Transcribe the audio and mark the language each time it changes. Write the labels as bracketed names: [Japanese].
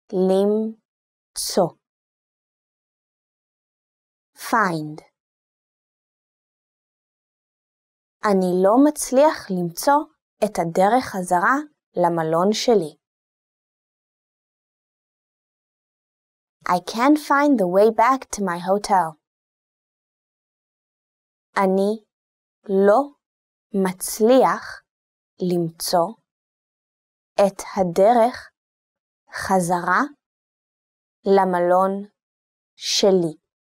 [Hebrew] למצוא. [English] Find. [Hebrew] אני לא מצליח למצוא את הדרך חזרה למלון שלי. [English] I can't find the way back to my hotel. [Hebrew] אני לא מצליח למצוא את הדרך חזרה למלון שלי.